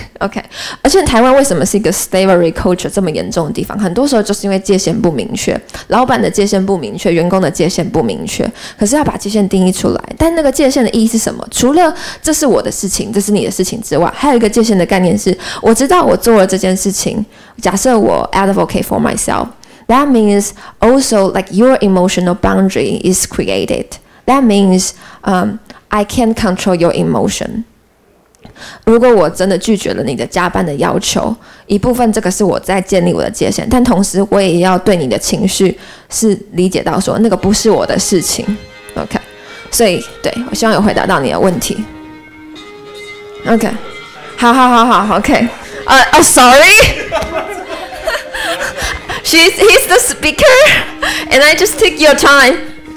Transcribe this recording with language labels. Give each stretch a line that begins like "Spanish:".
Chinese: OK， 而且台湾为什么是一个 slavery culture 这么严重的地方？很多时候就是因为界限不明确，老板的界限不明确，员工的界限不明确。可是要把界限定义出来，但那个界限的意义是什么？除了这是我的事情，这是你的事情之外，还有一个界限的概念是，我知道我做了这件事情。假设我
English: advocate for myself， that means also like your emotional boundary is created. That means I can't control your emotion.
Chinese: 如果我真的拒绝了你的加班的要求，一部分这个是我在建立我的界限，但同时我也要对你的情绪是理解到说那个不是我的事情。 OK， 所以对，我希望有回答到你的问题。
English: OK， 好 OK， sorry， he's the speaker and I just took your time。